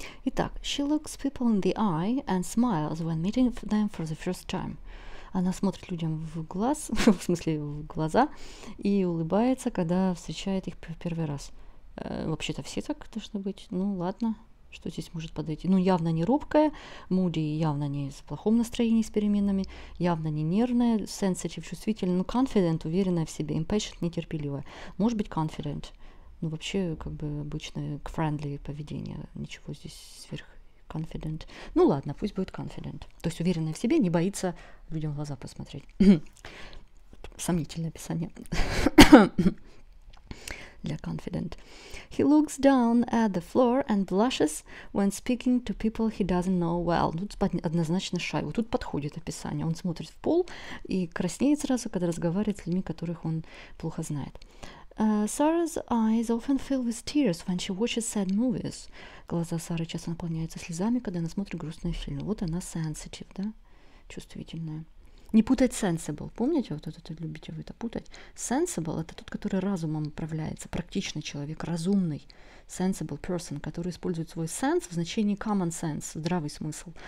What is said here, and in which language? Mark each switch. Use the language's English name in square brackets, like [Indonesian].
[English] Итак, she looks people in the eye and smiles when meeting them for the first time. [Russian] Она смотрит людям в глаз, в смысле в глаза, и улыбается, когда встречает их в первый раз. Вообще-то все так должны быть. Ну ладно, что здесь может подойти? Ну явно не робкая, moody явно не в плохом настроении с переменами, явно не нервная, sensitive, чувствительная, ну confident, уверенная в себе, impatient, нетерпеливая. Может быть confident, ну вообще как бы обычное friendly поведение, ничего здесь сверх. Confident. Ну ладно, пусть будет confident. То есть уверенная в себе, не боится людям в глаза посмотреть. Сомнительное описание для confident. [English] He looks down at the floor and blushes when speaking to people he doesn't know well. [Russian] Тут однозначно shy. Вот тут подходит описание. Он смотрит в пол и краснеет сразу, когда разговаривает с людьми, которых он плохо знает. [English] Sarah's eyes often fill with tears when she watches sad movies. [Russian] Глаза Сары часто наполняются слезами, когда она смотрит грустные фильмы. Вот она sensitive, да? Чувствительная. Не путать sensible. Помните, вот это любите вы это путать? Sensible – это тот, который разумом управляется. Практичный человек, разумный. [English] Sensible person, [Russian] который использует свой sense в значении [English] common sense, [Russian] здравый смысл.